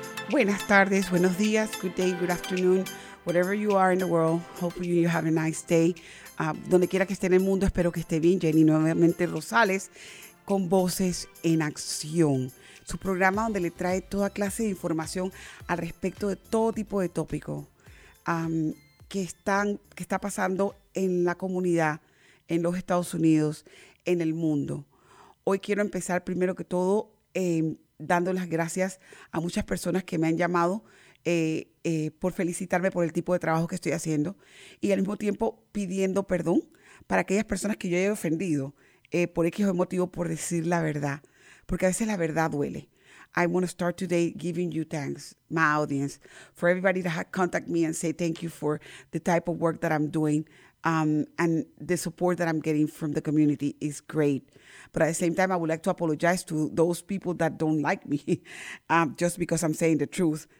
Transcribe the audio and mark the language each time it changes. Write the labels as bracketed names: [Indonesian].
[Spanish] Buenas tardes, buenos días, [English] good day, good afternoon, whatever you are in the world, hopefully you have a nice day. [Spanish] Donde quiera que esté en el mundo, espero que esté bien. Jenny nuevamente Rosales con Voces en Acción, su programa donde le trae toda clase de información al respecto de todo tipo de tópico que está pasando en la comunidad, en los Estados Unidos, en el mundo. Hoy quiero empezar primero que todo dando las gracias a muchas personas que me han llamado por felicitarme por el tipo de trabajo que estoy haciendo y al mismo tiempo pidiendo perdón para aquellas personas que yo he ofendido por X o Y motivo por decir la verdad, porque a veces la verdad duele. [English] I want to start today giving you thanks, my audience, for everybody that had contacted me and say thank you for the type of work that I'm doing and the support that I'm getting from the community is great. But at the same time, I would like to apologize to those people that don't like me just because I'm saying the truth.